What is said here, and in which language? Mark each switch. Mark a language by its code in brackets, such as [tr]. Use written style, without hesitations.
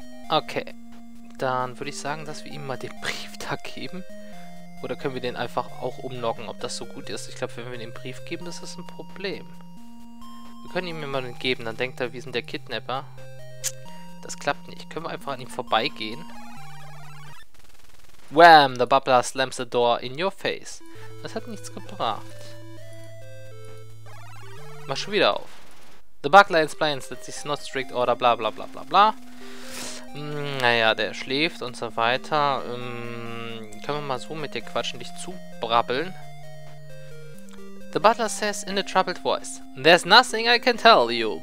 [de] Okay, dann würde ich sagen, dass wir ihm mal den Brief da geben. Oder können wir den einfach auch umnocken, ob das so gut ist? Ich glaube, wenn wir den Brief geben, ist das ein Problem. Wir können ihm mal den geben, dann denkt er, wir sind der Kidnapper. Das klappt nicht. Können wir einfach an ihm vorbeigehen? Wham! [en] The bubbler slams the door in your face. [de] Das hat nichts gebracht. Mach schon wieder auf. [en] The bubbler explains that this is not strict order, bla bla bla bla bla. [de] Naja, der schläft und so weiter. Können wir mal so mit dir quatschen, dich zubrabbeln? [en] The butler says in a troubled voice, "There's nothing I can tell you.